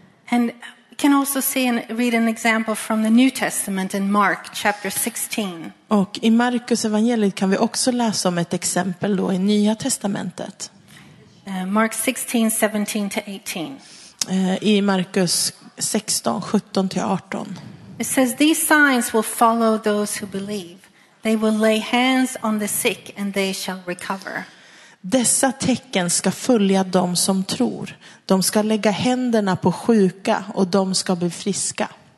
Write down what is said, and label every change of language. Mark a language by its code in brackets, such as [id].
[en] And we can also see and read an example from the New Testament in Mark chapter 16. [sv] Och i Markus evangeliet kan vi också läsa om ett exempel då i Nya testamentet. [en] Mark 16:17-18. [sv] I Markus 16:17-18. [en] It says these signs will follow those who believe. They will lay hands on the sick and they shall recover. [sv] Dessa tecken ska följa de som tror. De ska lägga händerna på sjuka och de ska bli friska.